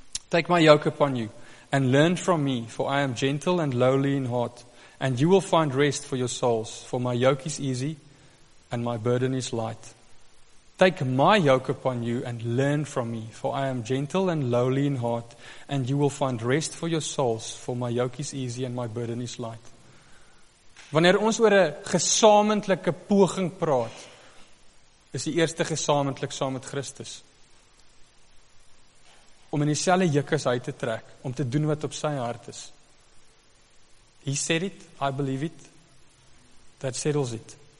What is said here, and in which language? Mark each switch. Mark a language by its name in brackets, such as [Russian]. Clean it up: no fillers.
[English] Take my yoke upon you, and learn from me, for I am gentle and lowly in heart, and you will find rest for your souls, for my yoke is easy, and my burden is light. Take my yoke upon you, and learn from me, for I am gentle and lowly in heart, and you will find rest for your souls, for my yoke is easy, and my burden is light. [Afrikaans] Wanneer ons oor 'n gesamentlike poging praat, is die eerste gesamentlik saam met Christus. Om in dieselfde juk as hy te trek, om te doen wat op sy hart is. [English] He said it, I believe it, that settles it.